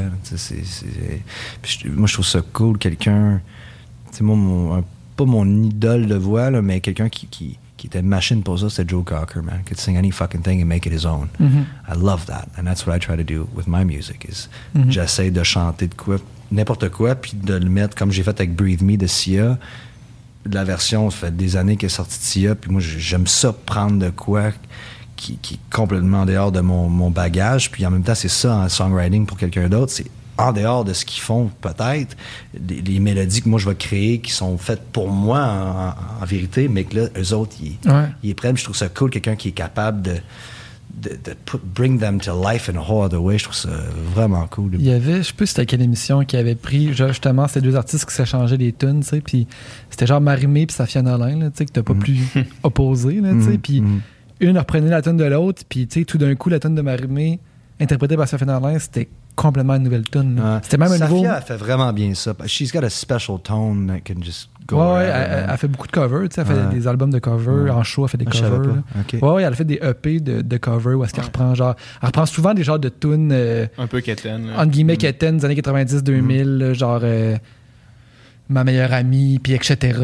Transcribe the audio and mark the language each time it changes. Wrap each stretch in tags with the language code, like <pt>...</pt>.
<fr>Moi, je trouve ça cool, quelqu'un. C'est pas mon idole de voix, là, mais quelqu'un qui était machine pour ça, c'est Joe Cocker, man.</fr> <en>Could sing any fucking thing and make it his own. Mm-hmm. I love that. And that's what I try to do with my music.</en> <fr>Is j'essaie de chanter de quoi, n'importe quoi, puis de le mettre comme j'ai fait avec Breathe Me de Sia. La version, ça fait des années qu'elle est sortie de Sia, puis moi, j'aime ça prendre de quoi qui est complètement dehors de mon bagage. Puis en même temps, c'est ça, hein, songwriting pour quelqu'un d'autre, c'est en dehors de ce qu'ils font, peut-être, les mélodies que moi, je vais créer qui sont faites pour moi, en vérité, mais que là, eux autres, ils prennent. Je trouve ça cool, quelqu'un qui est capable de</fr> <en>put, bring them to life in a whole other way.</en> <fr>Je trouve ça vraiment cool. Il y avait, je ne sais plus si c'était quelle émission, qui avait pris justement ces deux artistes qui s'échangeaient des tunes, tu sais, puis c'était genre Marimé puis Safia Nolin, tu sais, que t'as pas plus opposé, tu sais, puis une reprenait la tune de l'autre, puis tu sais, tout d'un coup, la tune de Marimé, interprétée par Safia Nolin, c'était complètement une nouvelle tune. C'était même un nouveau. Safia fait vraiment bien ça.</fr> <en>She's got a special tone that can just go.</en> <fr>Ouais, ouais, elle fait beaucoup de covers. Elle fait des albums de covers. Ouais. En show, elle fait des covers. Okay. Ouais, elle fait des EP de covers où est-ce qu'elle reprend genre. Elle reprend souvent des genres de tunes. Un peu Keten. Entre guillemets Keten, des années 90-2000, genre Ma meilleure amie, puis etc.</fr>